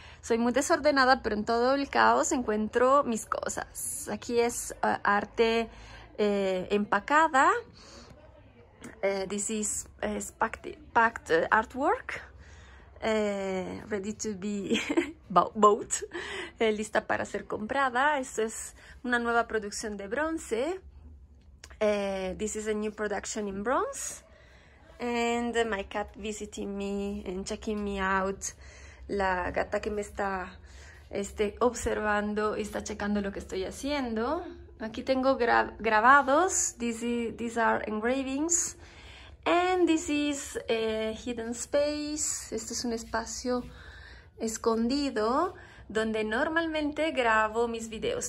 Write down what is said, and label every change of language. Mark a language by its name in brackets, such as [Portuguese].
[Spanish] Soy muy desordenada, pero en todo el caos encuentro mis cosas. Aquí es arte empacada. [English] This is packed artwork, ready to be bought. [Spanish] Lista para ser comprada. Esto es una nueva producción de bronce. [English] This is a new production in bronze. And my cat visiting me and checking me out. [Spanish] La gata que me está observando y está checando lo que estoy haciendo. Aquí tengo grabados. [English] These are engravings. And this is a hidden space. [Spanish] Esto es un espacio escondido donde normalmente grabo mis videos.